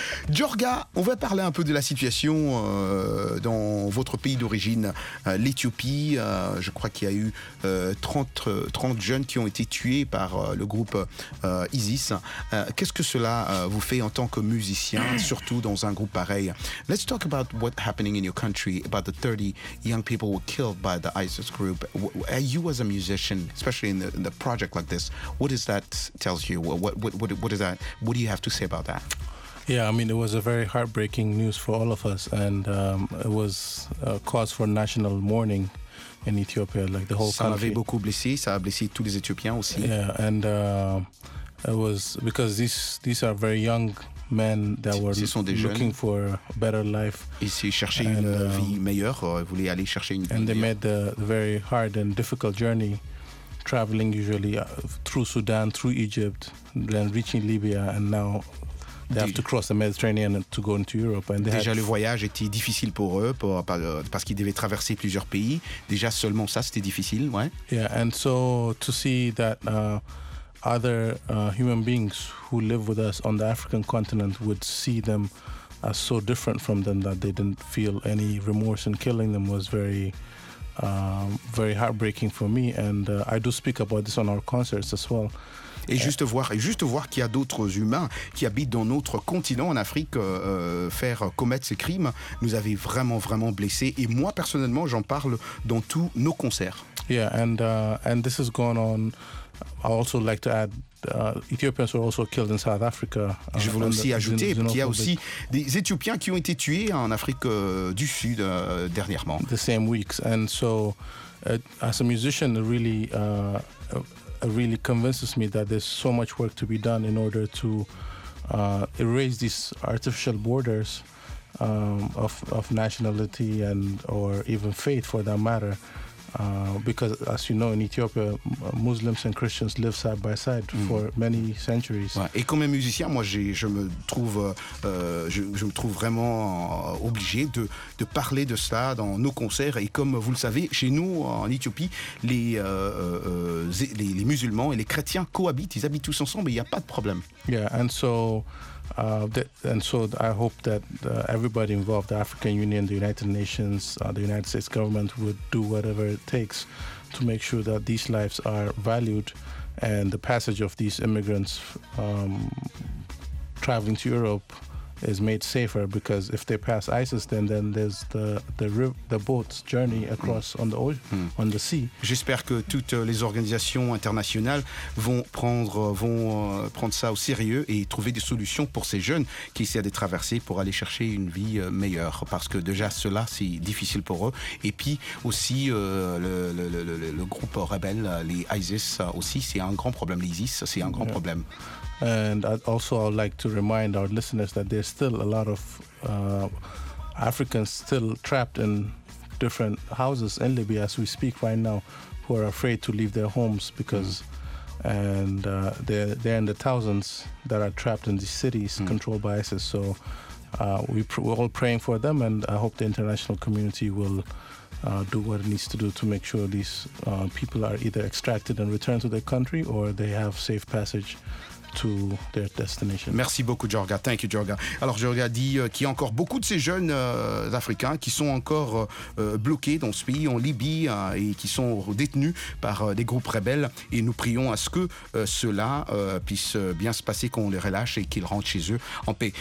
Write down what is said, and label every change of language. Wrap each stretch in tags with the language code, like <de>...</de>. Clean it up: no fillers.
<fr>Jorga, on va parler un peu de la situation dans votre pays d'origine, l'Éthiopie. Je crois qu'il y a eu 30 jeunes qui ont été tués par le groupe ISIS. Qu'est-ce que cela vous fait en tant que musicien, surtout dans un groupe pareil?</fr> <en>Let's talk about what happening in your country, about the 30 young people were killed by the ISIS group. You as a musician, especially in the project like this, what does that tell you? What do you have to say about that? Yeah, I mean, it was a very heartbreaking news for all of us, and it was a cause for national mourning in Ethiopia, like the whole</en> <fr>country. Ça avait beaucoup blessé, ça a blessé tous les Éthiopiens aussi.</fr> <en>Yeah, and it was because these are very young men that were looking for a better life.</en> <fr>Ils cherchaient une vie meilleure, ils voulaient aller chercher une vie meilleure.</fr> <en>And they made the very hard and difficult journey, traveling usually through Sudan, through Egypt, then reaching Libya, and now... They have to cross the Mediterranean to go into Europe. And</en> <fr>déjà, le voyage était difficile pour eux, parce qu'ils devaient traverser plusieurs pays. Déjà, seulement ça, c'était difficile, ouais.</fr> <en>Yeah, and so to see that other human beings who live with us on the African continent would see them as so different from them that they didn't feel any remorse in killing them was very, very heartbreaking for me. And I do speak about this on our concerts as well.</en> <fr>Et juste voir qu'il y a d'autres humains qui habitent dans notre continent, en Afrique, faire commettre ces crimes, nous avait vraiment, vraiment blessés. Et moi, personnellement, j'en parle dans tous nos concerts.</fr> <en>Yeah, and this is going on. I also like to add, Ethiopians were also killed in South Africa.</en> <fr>Je voulais aussi ajouter qu'il y a aussi des Éthiopiens qui ont été tués en Afrique du Sud dernièrement.</fr> <en>The same weeks. And so, as a musician, really... really convinces me that there's so much work to be done in order to erase these artificial borders of nationality and or even faith for that matter. Because as you know, in Ethiopia, Muslims and Christians live side by side for many centuries.</en> <fr>Ouais. Et comme musicien, moi, je me trouve vraiment obligé de parler de cela dans nos concerts. Et comme vous le savez, chez nous en Éthiopie, les musulmans et les chrétiens cohabitent. Ils habitent tous ensemble. Il n'y a pas de problème.</fr> <en>Yeah, and so I hope that everybody involved, the African Union, the United Nations, the United States government, would do whatever it takes to make sure that these lives are valued and the passage of these immigrants traveling to Europe is made safer, because if they pass ISIS, then there's the boat's journey across on the ocean, on the sea.</en> <fr>J'espère que toutes les organisations internationales vont prendre ça au sérieux et trouver des solutions pour ces jeunes qui essaient de traverser pour aller chercher une vie meilleure, parce que déjà cela c'est difficile pour eux, et puis aussi le groupe rebelle, les ISIS aussi, c'est un grand problème, l'ISIS c'est un grand problème.</fr> <en>And also I'd like to remind our listeners that there's still a lot of Africans still trapped in different houses in Libya as we speak right now, who are afraid to leave their homes because they're in the thousands that are trapped in these cities controlled by ISIS. So we're all praying for them, and I hope the international community will do what it needs to do to make sure these people are either extracted and returned to their country, or they have safe passage to their destination.</en> <fr>Merci beaucoup, Djorga.</fr> <en>Thank you,</en> <fr>Djorga. Alors, Djorga dit qu'il y a encore beaucoup de ces jeunes Africains qui sont encore bloqués dans ce pays, en Libye, et qui sont détenus par des groupes rebelles. Et nous prions à ce que cela puisse bien se passer, qu'on les relâche et qu'ils rentrent chez eux en paix.</fr>